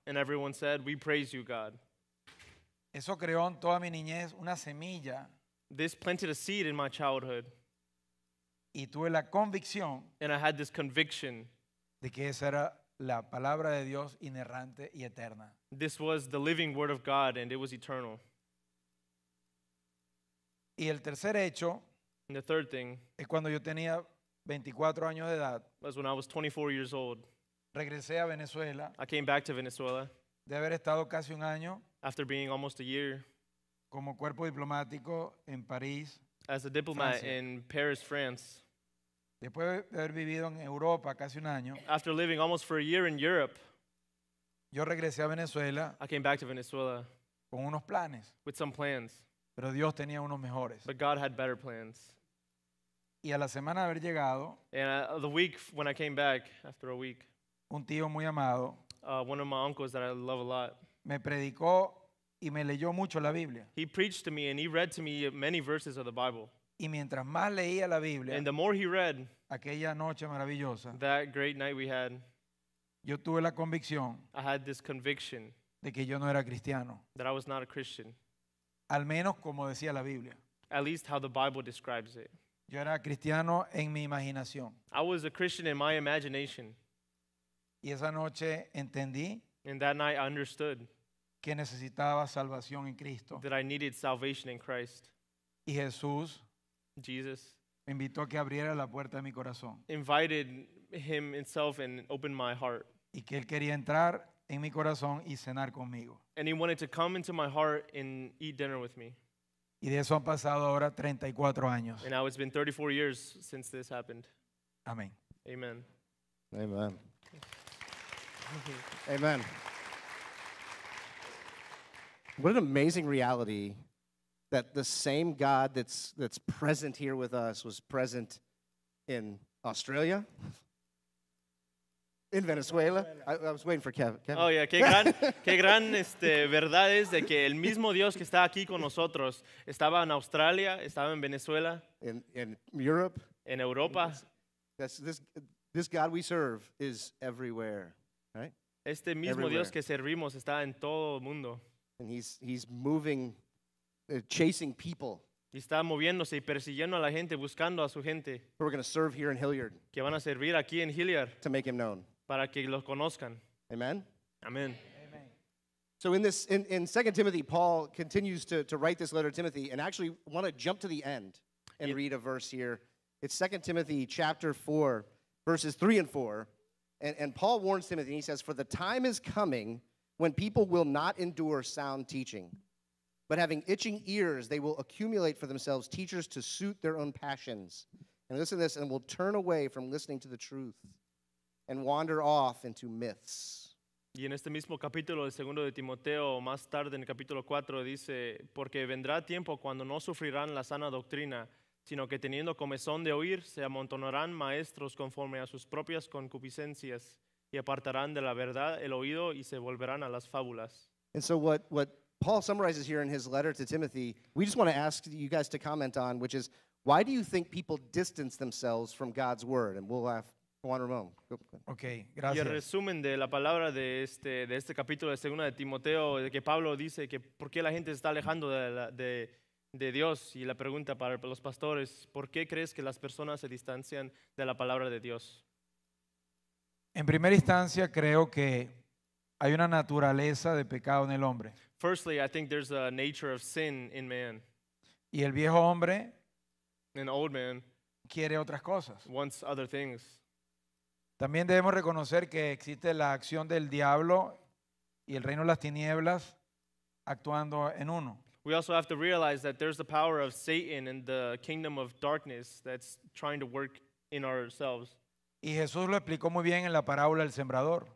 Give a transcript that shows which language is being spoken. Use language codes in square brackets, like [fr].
[en] And everyone said, we praise you, God. [es] Eso creó en toda mi niñez una semilla. [en] This planted a seed in my childhood. [es] Y tuve la convicción, [en] and I had this conviction, [es] de que esa era la palabra de Dios inerrante y eterna. [en] This was the living word of God and it was eternal. [es] Y el tercer hecho, [en] and the third thing, [es] es cuando yo tenía 24 años de edad. [en] That's when I was 24 years old. [es] Regresé a Venezuela. [en] I came back to Venezuela. [es] De haber estado casi un año. [en] After being almost a year. [es] Como cuerpo diplomático en París. [en] As a diplomat in Paris, France. [es] Después de haber vivido en Europa casi un año. [en] After living almost for a year in Europe. [es] Yo regresé a Venezuela. [en] I came back to Venezuela. [es] Con unos planes. [en] With some plans. [es] Pero Dios tenía unos mejores. [en] But God had better plans. [es] Y a la semana de haber llegado. [en] And the week when I came back, after a week. [es] Un tío muy amado. [en] One of my uncles that I love a lot. [es] Me predicó y me leyó mucho la Biblia. [en] He preached to me and he read to me many verses of the Bible. [es] Y mientras más leía la Biblia. [en] And the more he read. [es] Aquella noche maravillosa. [en] That great night we had. [es] Yo tuve la convicción. [en] I had this conviction. [es] De que yo no era cristiano. [en] That I was not a Christian. [es] Al menos como decía la Biblia. [en] At least how the Bible describes it. [es] Yo era cristiano en mi imaginación. [en] I was a Christian in my imagination. [es] Y esa noche entendí. [en] And that night I understood. [es] Que necesitaba salvación en Cristo. [en] That I needed salvation in Christ. [es] Y Jesús. [en] Jesus. [es] Me invitó a que abriera la puerta de mi corazón. [en] Invited him himself and opened my heart. [es] Y que él quería entrar en mi corazón y cenar conmigo. [en] And he wanted to come into my heart and eat dinner with me. [es] Y de eso han pasado ahora 34 años. [en] And now it's been 34 years since this happened. [es] Amén. [en] Amen. Amen. Amen. What an amazing reality that the same God that's present here with us was present in Australia. In Venezuela. I was waiting for Kevin. Oh, yeah. [es] Qué gran verdad es de que el mismo Dios que está aquí con nosotros estaba en Australia, estaba en Venezuela. [en] In Europe. [es] En Europa. [en] This God we serve is everywhere, right? [es] Este mismo everywhere. Dios que servimos está en todo el mundo. [en] And he's moving, chasing people. [es] Y está moviéndose y persiguiendo a la gente, buscando a su gente. [en] We're going to serve here in Hilliard. [es] Que van a servir aquí en Hilliard. [en] To make him known. [es] Para que los conozcan. [en] Amen. Amen. So in 2 Timothy, Paul continues to write this letter to Timothy, and actually want to jump to the end and read a verse here. It's 2 Timothy chapter 4, verses 3 and 4. And Paul warns Timothy, and he says, "For the time is coming when people will not endure sound teaching, but having itching ears, they will accumulate for themselves teachers to suit their own passions. And listen to this, and will turn away from listening to the truth. And wander off into myths." [es] Y en este mismo capítulo, el segundo de Timoteo, más tarde en el capítulo 4, dice, "Porque vendrá tiempo cuando no sufrirán la sana doctrina, sino que teniendo comezón de oír, se amontonarán maestros conforme a sus propias concupiscencias, y apartarán de la verdad el oído y se volverán a las fábulas." [en] And so what Paul summarizes here in his letter to Timothy, we just want to ask you guys to comment on, which is, why do you think people distance themselves from God's word? And we'll have [es] okay, gracias. Y el resumen de la palabra de este capítulo de segunda de Timoteo, de que Pablo dice que por qué la gente está alejando de Dios, y la pregunta para los pastores, ¿por qué crees que las personas se distancian de la palabra de Dios? En primera instancia, creo que hay una naturaleza de pecado en el hombre. [en] Firstly, I think there's a nature of sin in man. [es] Y el viejo hombre, [en] an old man, [es] quiere otras cosas. [en] Wants other things. [es] También debemos reconocer que existe la acción del diablo y el reino de las tinieblas actuando en uno. [en] We also have to realize that there's the power of Satan and the kingdom of darkness that's trying to work in ourselves. [es] Y Jesús lo explicó muy bien en la parábola del sembrador.